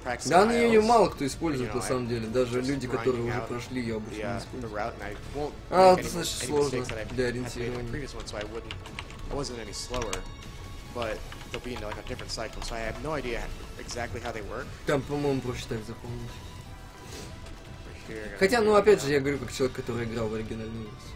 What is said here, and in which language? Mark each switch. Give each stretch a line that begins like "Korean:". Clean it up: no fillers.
Russian: Да, но ее мало кто использует, на самом деле. Даже люди, которые уже прошли, ее обычно не используют. А, это значит сложно для ориентирования.
English: I wasn't any slower, but they'll be in like a different cycle, so I have no idea exactly how they work.
Russian: Там, по-моему, проще так заполнить. Хотя, ну опять же, я говорю как человек, который играл в оригинальный раз.